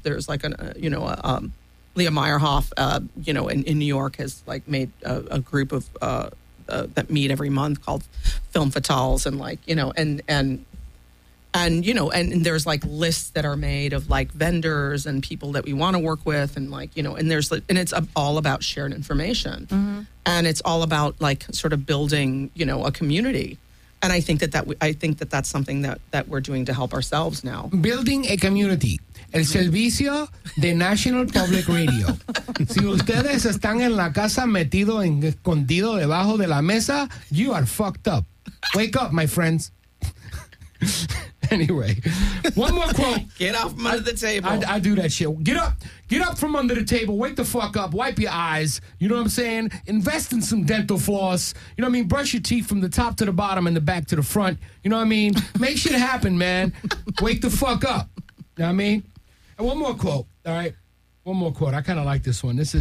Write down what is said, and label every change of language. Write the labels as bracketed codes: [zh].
[en] There's like a Leah Meyerhoff, in New York has like made a group of that meet every month called Film Fatales, and like, you know, and there's like lists that are made of like vendors and people that we want to work with, and like, you know, and there's like, and it's all about shared information, mm-hmm. and it's all about like sort of building, you know, a community. And I think that's something that we're doing to help ourselves now. Building a community. [es] El servicio de National Public Radio. Si ustedes están en la casa metido en escondido debajo de la mesa, [en] you are fucked up. Wake up, my friends. Anyway, one more quote. Get off from under the table. I do that shit. Get up from under the table. Wake the fuck up. Wipe your eyes. You know what I'm saying? Invest in some dental floss. You know what I mean? Brush your teeth from the top to the bottom and the back to the front. You know what I mean? Make shit happen, man. Wake the fuck up. You know what I mean? And one more quote. All right. One more quote. I kind of like this one.